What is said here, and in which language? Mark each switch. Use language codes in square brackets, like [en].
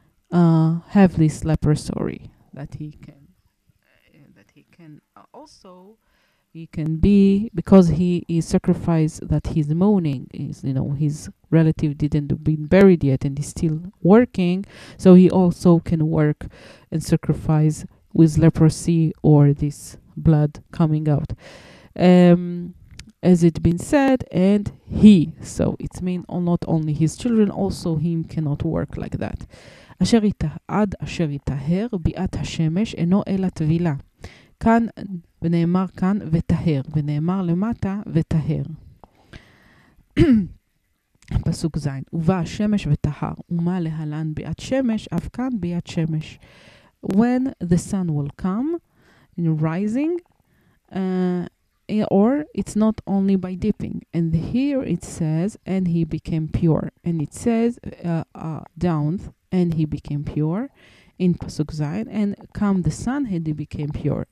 [en] have this leprosy that he can also be because he is sacrificed, that his mourning is, you know, his relative didn't been buried yet and he's still working, so he also can work and sacrifice with leprosy or this blood coming out, as it been said, and he, so it mean not only his children, also him cannot work like that. [he] Asher ad asher itaher biat hashemesh eno ela tvila kan ונאמר כאן ותהר, ונאמר למטה ותהר. פסוק ז', ובא השמש ותהר, ומה להלן ביאת שמש, אף כאן ביאת שמש. [en] When the sun will come, in rising, or it's not only by dipping. And here it says, and he became pure. And it says, down, and he became pure. In Pasuk Zayin, and come the sun, and he became pure.